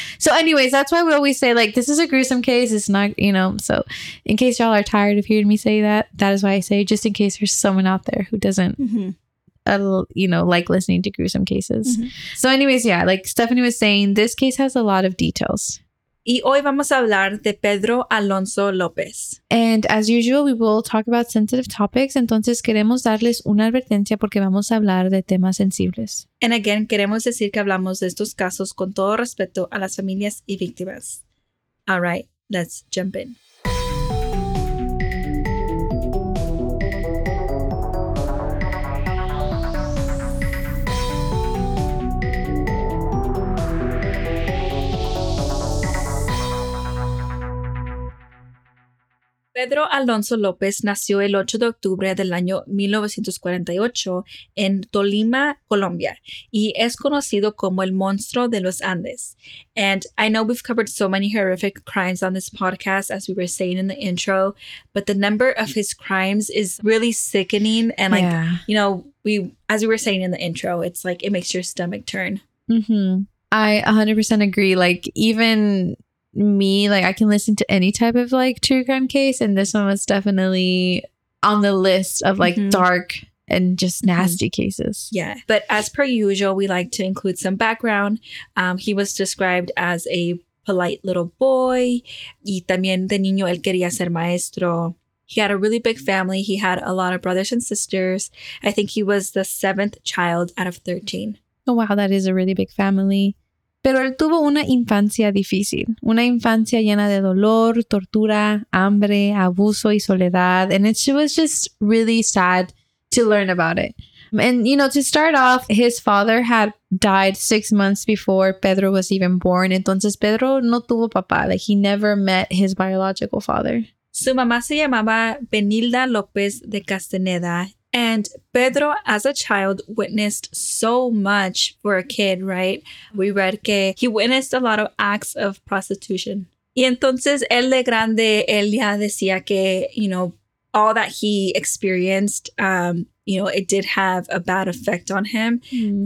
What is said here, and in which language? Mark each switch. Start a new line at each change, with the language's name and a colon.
English: So anyways, that's why we always say, like, this is a gruesome case, it's not, you know. So in case y'all are tired of hearing me say that, that is why I say, just in case there's someone out there who doesn't you know, like listening to gruesome cases. So anyways, yeah, like Stephanie was saying, this case has a lot of details.
Spanish: Y hoy vamos a hablar de Pedro Alonso López.
English: And as usual, we will talk about sensitive topics.
Spanish: Entonces, queremos darles una advertencia porque vamos a hablar de temas sensibles.
English: And again,
Spanish: queremos decir que hablamos de estos casos con todo respeto a las familias y víctimas.
English: All right, let's jump in.
Spanish: Pedro Alonso López nació el 8 de octubre del año 1948 en Tolima, Colombia, y es conocido como el Monstruo de los Andes.
English: And I know we've covered so many horrific crimes on this podcast, as we were saying in the intro, but the number of his crimes is really sickening. And, like, you know, we, as we were saying in the intro, it's like it makes your stomach turn. Mm-hmm. I 100% agree. Like, even me, like, I can listen to any type of, like, true crime case, and this one was definitely on the list of, like, dark and just nasty cases. Yeah, but as per usual, we like to include some background. He was described as a polite little boy,
Spanish: y también de niño él quería ser maestro.
English: He had a really big family. He had a lot of brothers and sisters. I think he was the seventh child out of 13. Oh, wow, that is a really big family.
Spanish: Pero él tuvo una infancia difícil, una infancia llena de dolor, tortura, hambre, abuso y soledad.
English: And it was just really sad to learn about it. And, you know, to start off, his father had died 6 months before Pedro was even born.
Spanish: Entonces, Pedro no tuvo papá.
English: Like, he never met his biological father.
Spanish: Su mamá se llamaba Benilda López de Castaneda.
English: And Pedro, as a child, witnessed so much for a kid, right? We read que he witnessed a lot of acts of prostitution.
Spanish: Y entonces, él de grande, él ya decía que,
English: you know, all that he experienced, you know, it did have a bad effect on him. Mm-hmm.